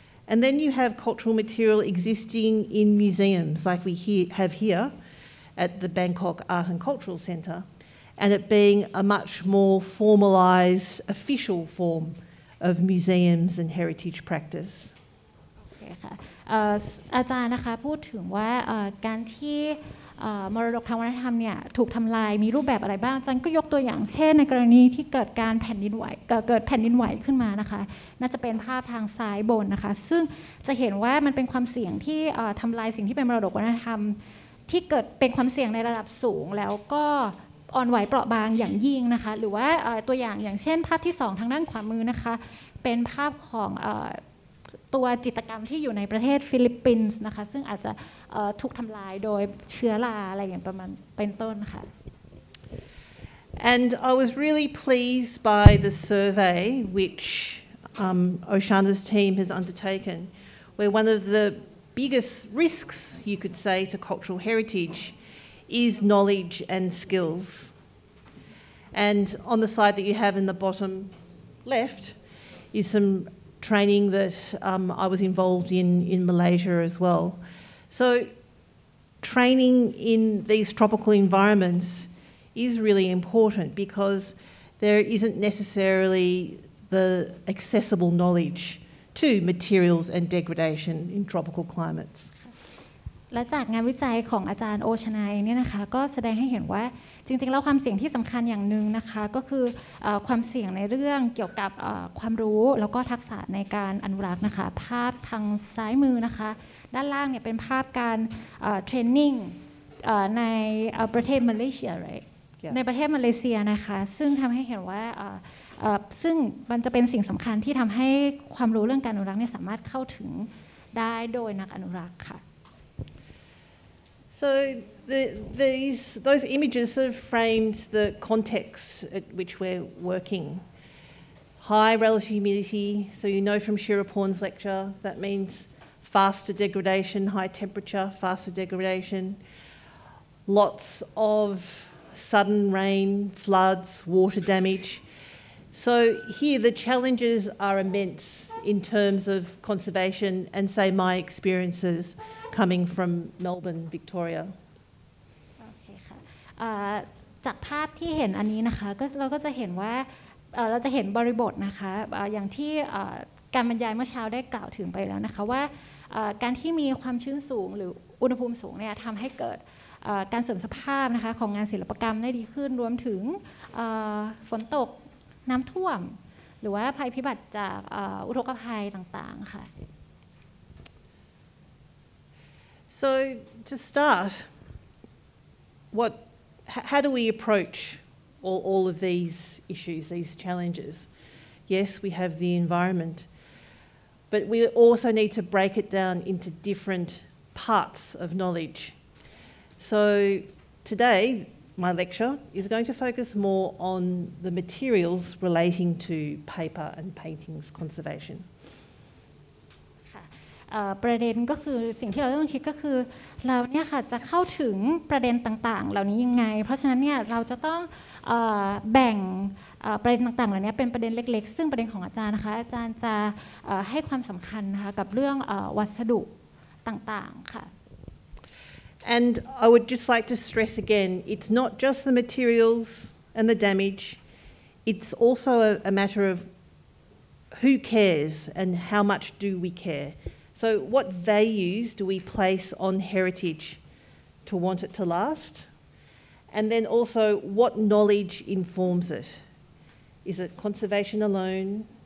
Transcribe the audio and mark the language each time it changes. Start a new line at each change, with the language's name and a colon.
English: And then you have cultural material existing in museums, like we have here at the Bangkok Art and Cultural Centre, and it being a much more formalised, official form of museums and heritage practice.
Thai: Okay, ค่ะอาจารย์นะคะพูดถึงว่าการที่มรดกทางวัฒนธรรมเนี่ยถูกทำลายมีรูปแบบอะไรบ้างอาจารย์ก็ยกตัวอย่างเช่นในกรณีที่เกิดการแผ่นดินไหวเกิดแผ่นดินไหวขึ้นมานะคะน่าจะเป็นภาพทางซ้ายบนนะคะซึ่งจะเห็นว่ามันเป็นความเสี่ยงที่ทำลายสิ่งที่เป็นมรดกวัฒนธรรมที่เกิดเป็นความเสี่ยงในระดับสูงแล้วก็ อ่อนไหวเปราะบางอย่างยิ่งนะคะหรือว่าตัวอย่างเช่นภาพที่สองทางด้านขวามือนะคะเป็นภาพของตัวจิตกรรมที่อยู่ในประเทศฟิลิปปินส์นะคะซึ่งอาจจะถูกทำลายโดยเชื้อราอะไรอย่างประมาณเป็นต้นค่ะ
English: And I was really pleased by the survey which Oshana's team has undertaken where one of the biggest risks you could say to cultural heritage is knowledge and skills and on the slide that you have in the bottom left is sometraining that I was involved in Malaysia as well. So training in these tropical environments is really important because there isn't necessarily the accessible knowledge to materials and degradation in tropical climates.
Thai: และจากงานวิจัยของอาจารย์โอชนาเองเนี่ยนะคะก็แสดงให้เห็นว่าจริงๆแล้วความเสี่ยงที่สำคัญอย่างนึงนะคะก็คือความเสี่ยงในเรื่องเกี่ยวกับความรู้แล้วก็ทักษะในการอนุรักษ์นะคะภาพทางซ้ายมือนะคะด้านล่างเนี่ยเป็นภาพการเทรนนิ่งในประเทศมาเลเซียในประเทศมาเลเซียนะคะซึ่งทำให้เห็นว่าซึ่งมันจะเป็นสิ่งสำคัญที่ทำให้ความรู้เรื่องการอนุรักษ์เนี่ยสามารถเข้าถึงได้โดยนักอนุรักษ์ค่ะ
English: So those images sort of framed the context at which we're working. High relative humidity, so you know from Chirapon's lecture, that means faster degradation, high temperature, faster degradation. Lots of sudden rain, floods, water damage. So here the challenges are immense in terms of conservation and say my experiences. Coming from Melbourne, Victoria. Okay, ค่ะ
Thai: จากภาพที่เห็นอันนี้นะคะก็เราก็จะเห็นว่าเราจะเห็นบริบทนะคะอย่างที่การบรรยายเมื่อเช้าได้กล่าวถึงไปแล้วนะคะว่าการที่มีความชื้นสูงหรืออุณหภูมิสูงเนี่ยทำให้เกิดการเสริมสภาพนะคะของงานศิลปกรรมได้ดีขึ้นรวมถึงฝนตกน้ำท่วมหรือว่าภัยพิบัติจากอุทกภัยต่างๆค่ะ
English: So to start what how do we approach all of these issues these challenges Yes we have the environmentBut we also need to break it down into different parts of knowledge. So today, my lecture is going to focus more on the materials relating to paper and paintings conservation.
Thai: ประเด็นก็คือสิ่งที่เราต้องคิดก็คือเราเนี่ยค่ะจะเข้าถึงประเด็นต่างๆเหล่านี้ยังไงเพราะฉะนั้นเนี่ยเราจะต้องแบ่งประเด็นต่างๆเหล่านี้เป็นประเด็นเล็กๆซึ่งประเด็นของอาจารย์นะคะอาจารย์จะให้ความสำคัญนะคะกับเรื่องวัสดุต่างๆค่ะ
English: And I would just like to stress again it's not just the materials and the damage it's also a matter of who cares and how much do we care so what values do we place on heritage to want it to last and then also what knowledge informs itIs it conservation alone?